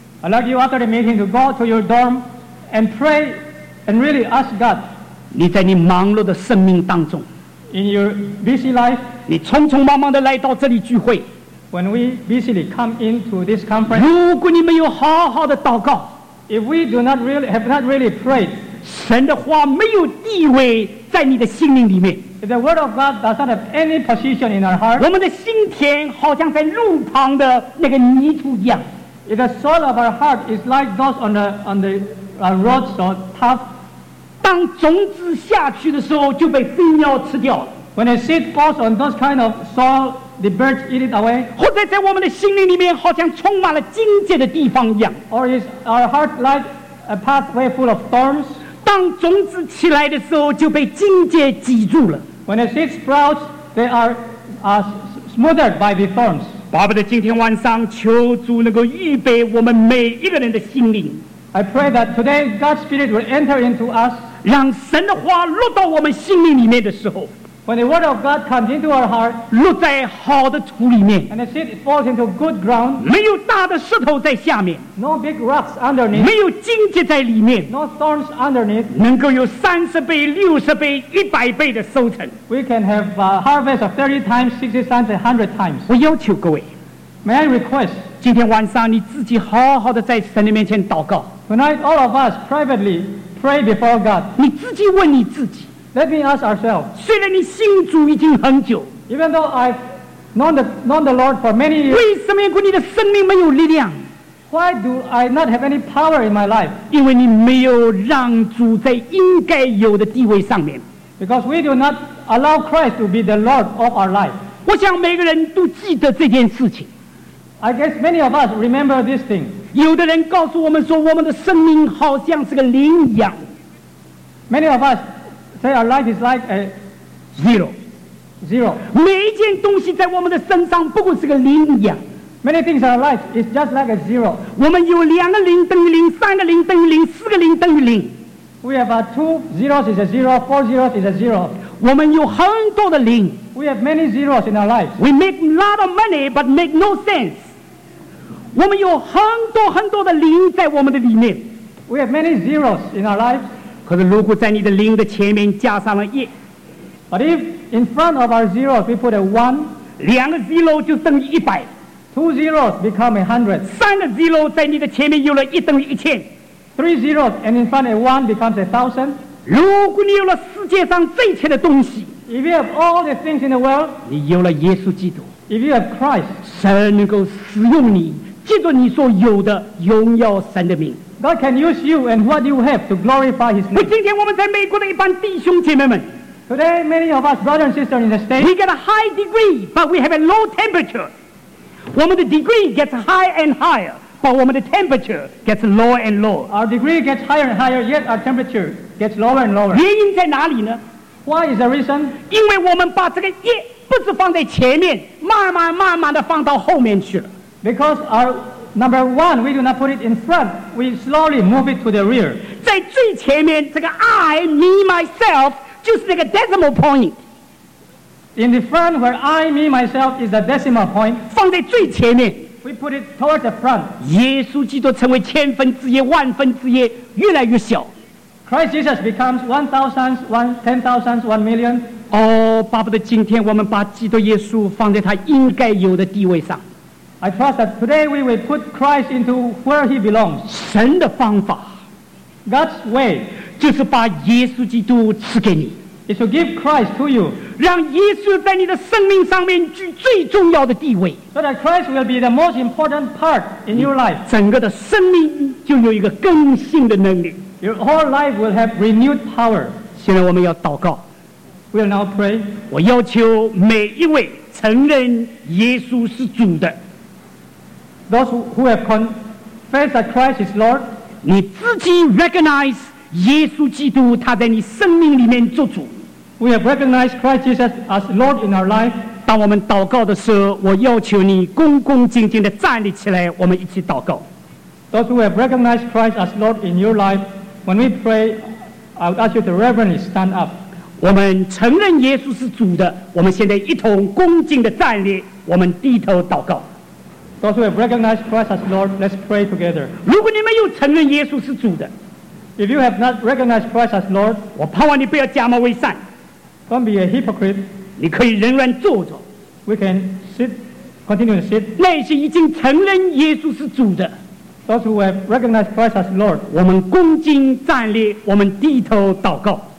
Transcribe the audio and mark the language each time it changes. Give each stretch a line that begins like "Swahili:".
English: I'd like you after the meeting to go to your dorm and pray and really ask God.
Chinese: 你在你忙碌的生命当中，
English: In your busy life,
Chinese: 你匆匆忙忙的来到这里聚会，
English: When we busily come into this conference,
Chinese: 如果你没有好好的祷告，
English: If we do not really, have not really prayed,
Chinese: 神的话没有地位在你的心灵里面。
English: If the word of God does not have any position in our heart,
Chinese: 我们的心田好像在路旁的那个泥土一样。
English: If the soil of our heart is like those on the road so tough,
Chinese: 当种子下去的时候就被飞鸟吃掉。
English: When a seed falls on those kind of soil, the birds eat it away.
Chinese: 或者在我们的心灵里面好像充满了荆棘的地方一样。
English: Or is our heart like a pathway full of thorns?
Chinese: 当种子起来的时候就被荆棘挤住了。
English: When a seed sprouts, they are smothered by the thorns.
Chinese: 巴不得今天晚上求主能够预备我们每一个人的心灵。
English: I pray that today God's Spirit will enter into us.
Chinese: 让神的话落到我们心灵里面的时候。
English: When the word of God comes into our heart,
Chinese: 落在好的土里面。
English: And the seed falls into good ground.
Chinese: 没有大的石头在下面。
English: No big rocks underneath.
Chinese: 没有荆棘在里面。
English: No thorns underneath.
Chinese: 能够有30倍、60倍、100倍的收成。
English: We can have a harvest of 30 times, 60 times, 100 times.
Chinese: 我要求各位。
English: May I request?
Chinese: 今天晚上你自己好好的在神的面前祷告。
English: Tonight, all of us privately pray before God.
Chinese: 你自己问你自己。
English: Let me ask ourselves.
Chinese: 虽然你信主已经很久，
English: even though I've known the Lord for many years,
Chinese: 为什么你的生命没有力量？
English: Why do I not have any power in my life?
Chinese: 因为你没有让主在应该有的地位上面。
English: Because we do not allow Christ to be the Lord of our life.
Chinese: 我想每个人都记得这件事情。
English: I guess many of us remember this thing.
Chinese: 有的人告诉我们说，我们的生命好像是个零一样。
English: Many of us. Say our life is like a zero, zero.
Chinese: 每一件东西在我们的身上不过是个零一样。
English: Many things in our life is just like a zero.
Chinese: 我们有两个零等于零，三个零等于零，四个零等于零。
English: We have two zeros is a zero, four zeros is a zero.
Chinese: 我们有很多的零。
English: We have many zeros in our life. We make a lot of money but make no sense.
Chinese: 我们有很多很多的零在我们的里面。
English: We have many zeros in our life.
Chinese: 可是如果在你的零的前面加上了一，
English: but if in front of our zeros we put a one,
Chinese: 两个 zero 就等于100，
English: two zeros become 100，
Chinese: 三个 zero 在你的前面有了一等于1000，
English: three zeros and in front of one becomes 1000，
Chinese: 如果你有了世界上这一切的东西，
English: if you have all the things in the world，
Chinese: 你有了耶稣基督，
English: if you have Christ，
Chinese: 神能够使用你，借着你所有的荣耀神的名。
English: God can use you and what you have to glorify His name.
Chinese: 今天我们在美国的一帮弟兄姐妹们。
English: Today, many of us brothers and sisters in the States. We get a high degree, but we have a low temperature.
Chinese: 我们的
English: degree gets higher and higher, but 我们的 temperature gets lower and lower. Our degree gets higher and higher, yet our temperature gets lower and lower.
Chinese: 原因在哪里呢？
English: Why is the reason?
Chinese: 因为我们把这个一不是放在前面，慢慢慢慢地放到后面去了。
English: Because our Number one, we do not put it in front. We slowly move it to the rear.
Chinese: 在最前面，这个
English: I, me, myself,
Chinese: 就是那个
English: decimal point. In the front, where I, me, myself is the decimal point,
Chinese: 放在最前面。
English: We put it towards the front.
Chinese: 耶稣基督成为千分之一、万分之一，越来越小。
English: Christ Jesus becomes 1,000th, 1,000th, 1,000,000.
Chinese: 哦，巴不得今天我们把基督耶稣放在他应该有的地位上。
English: I trust that today we will put Christ into where He belongs.
Chinese: 神的方法，
English: God's way,
Chinese: 就是把耶稣基督赐给你，
English: is to give Christ to you.
Chinese: 让耶稣在你的生命上面居最重要的地位，
English: so that Christ will be the most important part in your life.
Chinese: 整个的生命就有一个更新的能力，
English: your whole life will have renewed power.
Chinese: 现在我们要祷告，
English: we will now pray.
Chinese: 我要求每一位承认耶稣是主的。
English: Those who have confessed that Christ is Lord,
Chinese: 你自己 recognize 耶稣基督他在你生命里面做主。
English: We have recognized Christ Jesus as Lord in our life.
Chinese: 当我们祷告的时候，我要求你恭恭敬敬地站立起来，我们一起祷告。
English: Those who have recognized Christ as Lord in your life, when we pray, I would ask you to reverently stand up.
Chinese: 我们承认耶稣是主的，我们现在一同恭敬地站立，我们低头祷告。
English: Those who have recognized Christ as Lord, let's pray together.
Chinese: 如果你没有承认耶稣是主的，
English: if you have not recognized Christ as Lord,
Chinese: 我盼望你不要假冒伪善，
English: don't be a hypocrite.
Chinese: 你可以仍然坐着，
English: we can sit, continue to sit.
Chinese: 那些已经承认耶稣是主的，
English: those who have recognized Christ as Lord,
Chinese: 我们恭敬站立，我们低头祷告。